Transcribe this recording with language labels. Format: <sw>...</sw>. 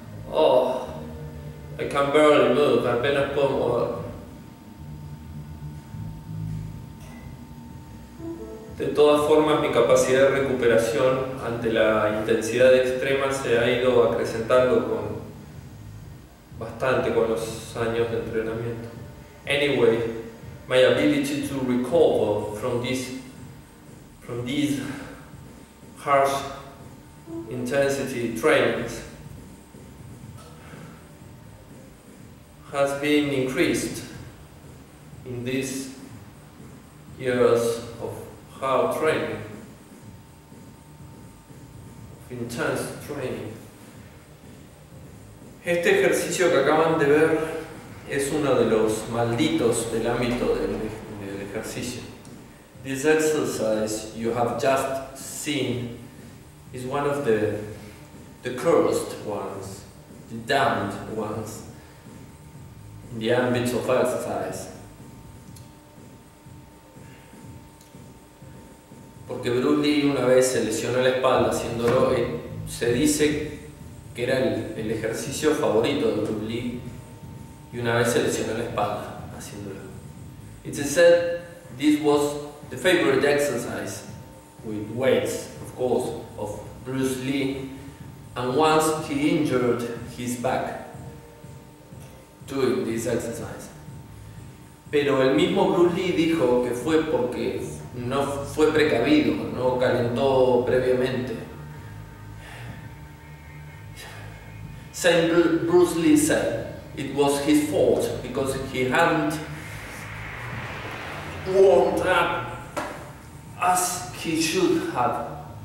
<en>I can barely move. I've been a coma.</en> <es>De todas formas, mi capacidad de recuperación ante la intensidad extrema se ha ido acrecentando con bastante con los años de entrenamiento.</es> <en>Anyway, my ability to recover from these harsh intensity trainings has been increased in these years of hard training, intense training.</en> <es>Este ejercicio que acaban de ver es uno de los malditos del ámbito del ejercicio.</es> <en>This exercise you have just seen is one of the cursed ones, the damned ones in the ambit of exercise.</en> <es>Porque Bruce Lee una vez se lesionó la espalda haciéndolo, y se dice que era el ejercicio favorito de Bruce Lee, y una vez se lesionó la espalda haciéndolo.</es> <en>It is said this was the favorite exercise with weights, of course, of Bruce Lee, and once he injured his back doing this exercise.</en> <es>Pero el mismo Bruce Lee dijo que fue porque no fue precavido, no calentó previamente.</es> <en>Saint Bruce Lee said it was his fault because he hadn't warmed up as he should have.</en>